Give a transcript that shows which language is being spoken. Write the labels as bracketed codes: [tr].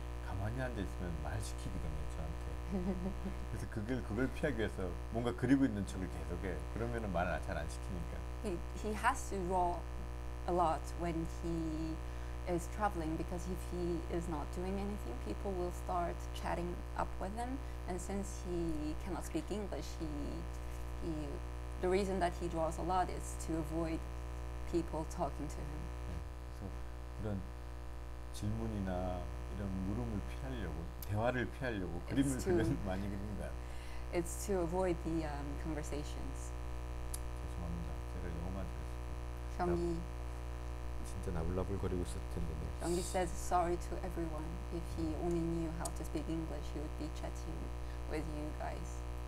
[ko] 가만히 앉아 있으면 말 시키거든요, 저한테. 그래서 그걸 피하기 위해서 뭔가 그리고 있는 척을 계속해. 그러면은 말 잘 안 시키니까. [en] He has to draw a lot when he is traveling, because if he is not doing anything, people will start chatting up with him, and since he cannot speak English, he the reason that he draws a lot is to avoid people talking to him. [ko] 그래서 이런 질문이나 이런 물음을 피하려고, 대화를 피하려고 그림을 그려서 많이 그린 거야. [en] It's to avoid the conversations. [ko] 죄송합니다. 제가 영어만 잘했어요. 진짜 나불나불거리고 있을 텐데. [en] Zhonggi says sorry to everyone. If he only knew how to speak English, he would be chatting with you guys.